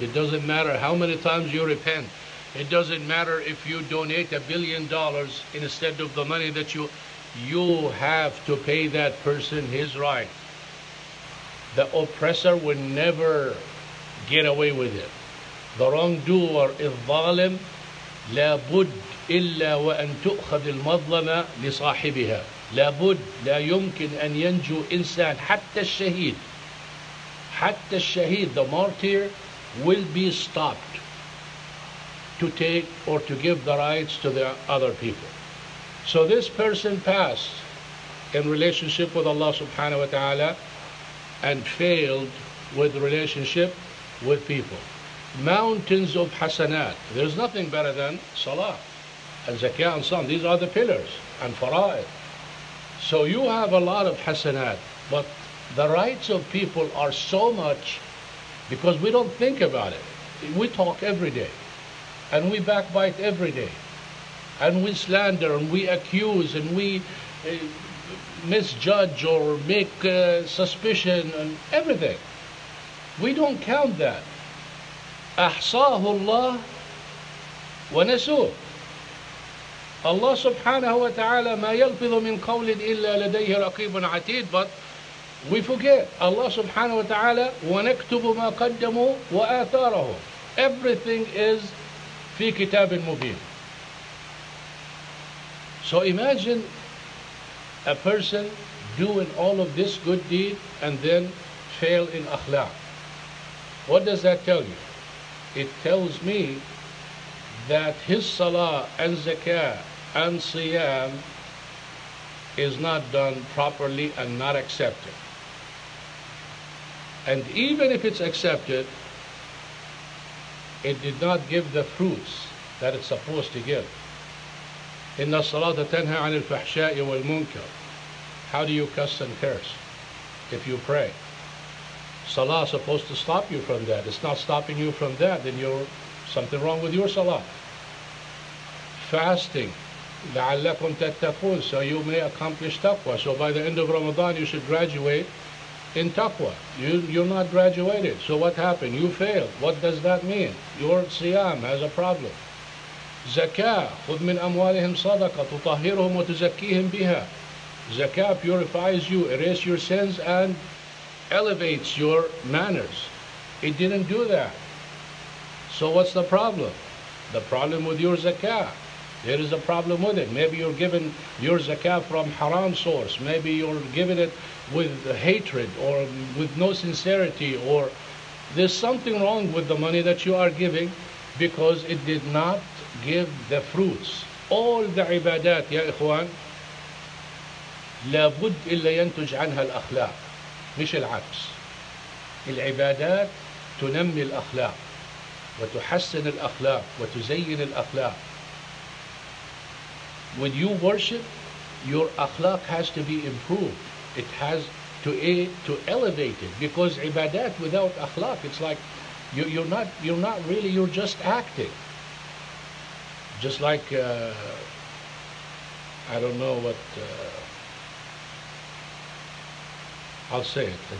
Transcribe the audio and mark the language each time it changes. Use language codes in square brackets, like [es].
[en] It doesn't matter how many times you repent. It doesn't matter if you donate $1 billion instead of the money that you have to pay that person his right. The oppressor will never get away with it. The wrongdoer, [ar] الظالم, لابد إلا وأن تؤخذ المظلمة لصاحبها. لابد لا يمكن أن ينجو إنسان حتى الشهيد. حتى الشهيد, [en] the martyr, will be stopped to take or to give the rights to the other people. So this person passed in relationship with Allah subhanahu wa ta'ala and failed with relationship with people. Mountains of hasanat. There's nothing better than salah and zakah and sun. These are the pillars and fara'id. So you have a lot of hasanat, but the rights of people are so much because we don't think about it. We talk every day and we backbite every day and we slander and we accuse and we misjudge or make suspicion and everything. We don't count that. [ar] أحصاه الله ونسوه. Allah subhanahu wa ta'ala ما يلفظ من قول إلا لديه رقيب عتيد. [en] But we forget Allah subhanahu wa ta'ala [ar] ونكتب ما قدموا وآثاره. [en] Everything is [ar] في كتاب مبين. [en] So imagine a person doing all of this good deed and then fail in akhlaq. What does that tell you? It tells me that his salah and zakah and siyam is not done properly and not accepted. And even if it's accepted, it did not give the fruits that it's supposed to give. [ar] إِنَّ الصَّلَاةَ تَنْهَى عَنِ الْفَحْشَاءِ وَالْمُنْكَرِ. [en] How do you cuss and curse if you pray? Salah is supposed to stop you from that. It's not stopping you from that, then you're something wrong with your salah. Fasting, [ar] لَعَلَّكُمْ تَتَّقُونَ, [en] so you may accomplish taqwa. So by the end of Ramadan, you should graduate in taqwa. You're not graduated. So what happened? You failed. What does that mean? Your siyam has a problem. [ar] Zakah, خُذْ مِنْ أَمْوَالِهِمْ صَدَقَةً تُطَهِّرُهُمْ وَتُزَكِّيهِمْ بِهَا. [en] Zakah purifies you, erase your sins, and elevates your manners. It didn't do that. So what's the problem? The problem with your zakah. There is a problem with it. Maybe you're giving your zakah from haram source. Maybe you're giving it with hatred or with no sincerity, or there's something wrong with the money that you are giving because it did not give the fruits. All the ibadat, ya ikhwan, [ar] لابد إلا ينتج عنها الأخلاق. مش العكس. العبادات تنمي الأخلاق وتحسن الأخلاق وتزين الأخلاق. [en] When you worship, your akhlaq has to be improved. It has to elevate it, because ibadat without akhlaq, it's like you're not really, you're just acting. Just like I don't know what I'll say it.